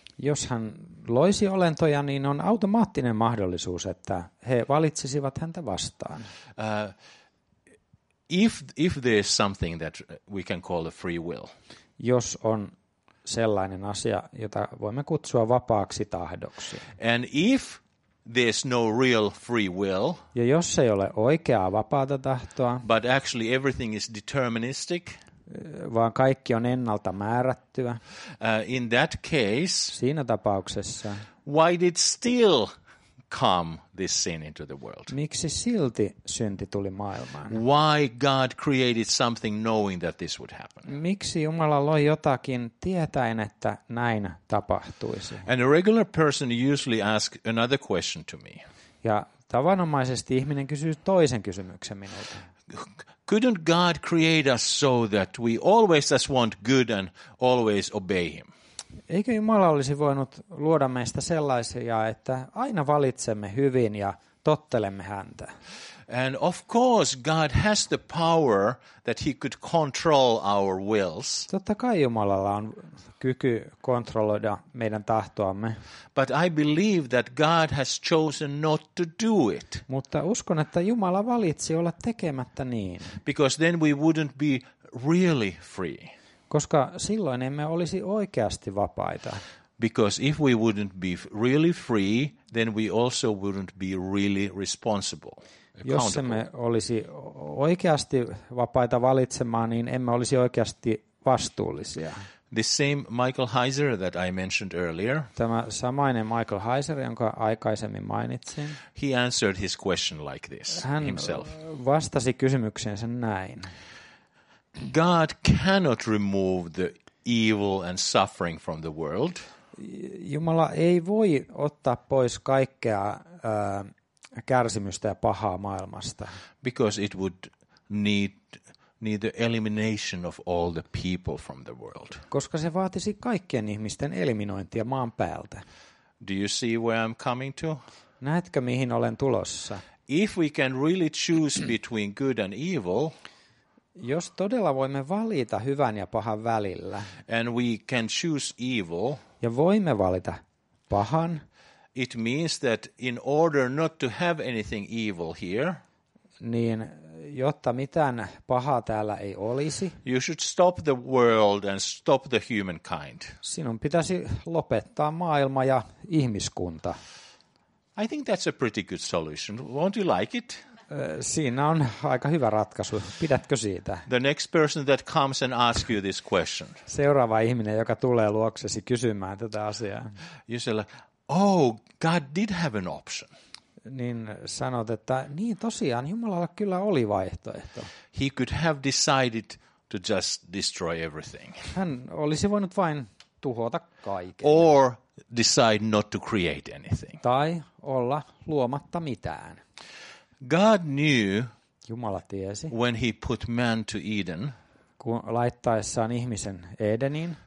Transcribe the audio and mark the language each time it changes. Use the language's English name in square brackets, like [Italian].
[Finnish] Jos hän loisi olentoja, niin on automaattinen mahdollisuus, että he valitsisivat häntä vastaan. [English] If there is something that we can call a free will. [Finnish] Jos on sellainen asia, jota voimme kutsua vapaaksi tahdoksi. [English] And if there's no real free will. [Finnish] Ja jos ei ole oikeaa vapaata tahtoa. [English] But actually everything is deterministic. [Finnish] Vaan kaikki on ennalta määrättyä. [English] In that case. [Finnish] Siinä tapauksessa. [English] Why did still come this sin into the world? [Finnish] Miksi silti synti tuli maailmaan? [English] Why God created something knowing that this would happen? [Finnish] Miksi Jumala loi jotakin tietäen, että näin tapahtuisi? [English] And a regular person usually asks another question to me. [Finnish] Ja tavanomaisesti ihminen kysyy toisen kysymyksen minulta. [English] Couldn't God create us so that we always just want good and always obey him? [Finnish] Eikö Jumala olisi voinut luoda meistä sellaisia, että aina valitsemme hyvin ja tottelemme häntä? [English] And of course God has the power that he could control our wills. [Finnish] Totta kai Jumalalla on kyky kontrolloida meidän tahtoamme. [English] But I believe that God has chosen not to do it. [Finnish] Mutta uskon, että Jumala valitsi olla tekemättä niin. [English] Because then we wouldn't be really free. [Finnish] Koska silloin emme olisi oikeasti vapaita. [English] Because if we wouldn't be really free, then we also wouldn't be really responsible. [Finnish] Jos emme olisi oikeasti vapaita valitsemaan, niin emme olisi oikeasti vastuullisia. [English] The same Michael Heiser that I mentioned earlier. [Finnish] Tämä samainen Michael Heiser, jonka aikaisemmin mainitsin. [English] He answered his question like this himself. [Finnish] Hän vastasi kysymykseensä näin. [English] God cannot remove the evil and suffering from the world. [Finnish] Jumala ei voi ottaa pois kaikkea kärsimystä ja pahaa maailmasta. [English] Because it would need the elimination of all the people from the world. [Finnish] Koska se vaatisi kaikkien ihmisten eliminointia maan päältä. [English] Do you see where I'm coming to? [Finnish] Näetkö mihin olen tulossa? [English] If we can really choose between good and evil. [Finnish] Jos todella voimme valita hyvän ja pahan välillä. [English] And we can choose evil. [Finnish] Ja voimme valita pahan. [English] It means that in order not to have anything evil here. [Finnish] Niin jotta mitään pahaa täällä ei olisi. [English] You should stop the world and stop the humankind. [Finnish] Sinun pitäisi lopettaa maailma ja ihmiskunta. [English] I think that's a pretty good solution. Won't you like it? [Finnish] Siinä on aika hyvä ratkaisu. Pidätkö siitä? [English] The next person that comes and asks you this question. [Finnish] Seuraava ihminen, joka tulee luoksesi kysymään tätä asiaa. [English] You say, like, oh, God did have an option. [Finnish] Niin sanot, että niin tosiaan, Jumalalla kyllä oli vaihtoehto. [English] He could have decided to just destroy everything. [Finnish] Hän olisi voinut vain tuhota kaiken. [English] Or decide not to create anything. [Finnish] Tai olla luomatta mitään. [English] God knew [Finnish] Jumala tiesi, [English] when he put man to Eden, [Finnish] kun laittaessaan ihmisen Edeniin,